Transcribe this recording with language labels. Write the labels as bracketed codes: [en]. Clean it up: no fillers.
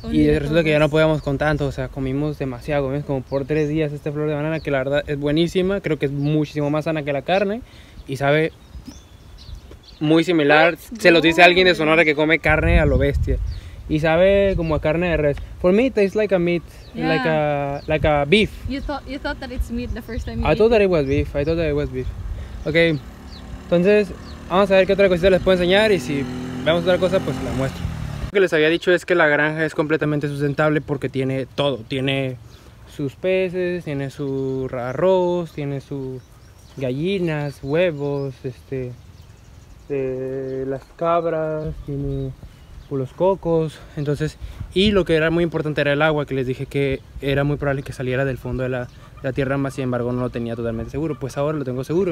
[es] Y resulta que ya no podíamos con tanto, o sea, comimos demasiado, comimos como por 3 días esta flor de banana, que la verdad es buenísima, creo que es muchísimo más sana que la carne y sabe muy similar. Se lo dice alguien de Sonora que come carne a lo bestia. Y sabe como a carne de res. [en] For me, it tastes like a meat, like a beef. You thought that it's meat the first time I thought that it was beef. [es] Okay, entonces vamos a ver qué otra cosita les puedo enseñar y si vemos otra cosa, pues la muestro. Lo que les había dicho es que la granja es completamente sustentable porque tiene todo. Tiene sus peces, tiene su arroz, tiene sus gallinas, huevos, las cabras, tiene los cocos, entonces, y lo que era muy importante era el agua, que les dije que era muy probable que saliera del fondo de la tierra, más sin embargo no lo tenía totalmente seguro. Pues ahora lo tengo seguro.